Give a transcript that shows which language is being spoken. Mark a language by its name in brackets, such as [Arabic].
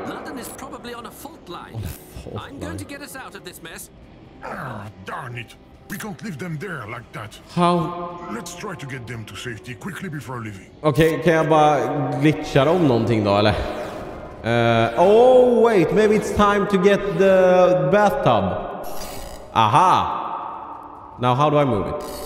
[English] London is probably on a fault line. I'm going to get us out of this mess. Darn it. We can't leave them there like that. How? Let's try to get them to safety quickly before leaving. [Swedish] Okej, kan jag bara glitcha om någonting då eller? [English] Oh wait, maybe it's time to get the bathtub. Aha. Now how do I move it?